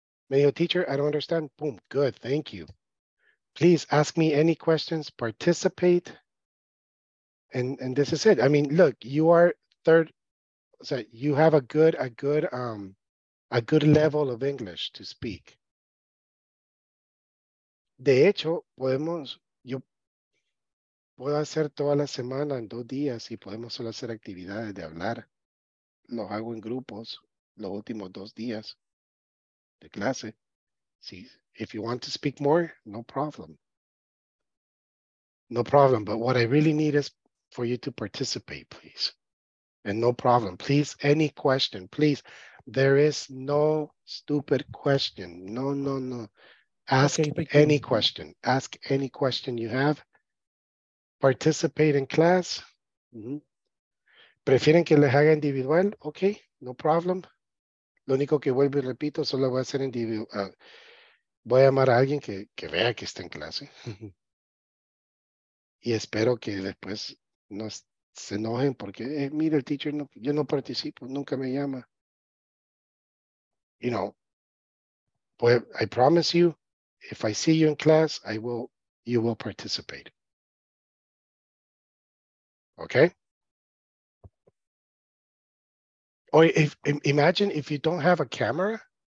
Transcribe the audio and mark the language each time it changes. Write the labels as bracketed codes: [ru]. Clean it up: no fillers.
[en] Mayo teacher, I don't understand. Boom, good, thank you. Please ask me any questions, participate. And this is it. I mean, look, you are third, so you have a good level of English to speak. [es] De hecho, puedo hacer toda la semana en 2 días y podemos solo hacer actividades de hablar. Los hago en grupos los últimos 2 días de clase. [en] Sí, if you want to speak more, no problem. No problem, but what I really need is for you to participate, please. And no problem, please, any question, please. There is no stupid question. No. Ask any question. Ask any question you have. Participate in class. [es] Mm-hmm. ¿Prefieren que les haga individual? [en] Ok, no problem. [es] Lo único que vuelvo y repito, solo voy a hacer individual. Voy a llamar a alguien que vea que está en clase. Y espero que después no se enojen porque, mira, el teacher, no, yo no participo, nunca me llama. [en] You know, but I promise you, if I see you in class, you will participate. Okay. Or imagine if you don't have a camera.